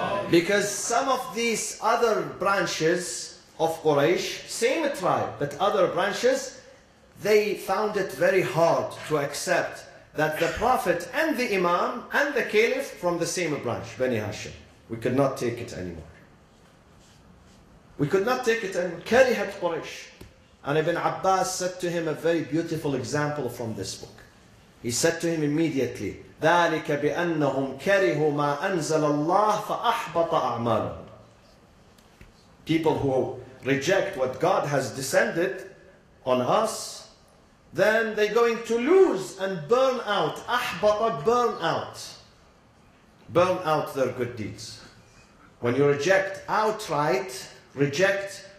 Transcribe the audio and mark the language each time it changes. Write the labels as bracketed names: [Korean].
[English] Because some of these other branches of Quraysh, same tribe, but other branches, they found it very hard to accept that the Prophet and the Imam and the Caliph from the same branch, Bani Hashim. We could not take it anymore. We could not take it anymore. Karihat Quraysh. And Ibn Abbas said to him a very beautiful example from this book. He said to him immediately, [Arabic] ذَلِكَ بِأَنَّهُمْ كَرِهُ مَا أَنزَلَ اللَّهُ فَأَحْبَطَ أَعْمَالُهُمْ. [English] People who reject what God has descended on us, then they're going to lose and burn out. أَحْبَطَ burn out. Burn out their good deeds. When you reject outright, reject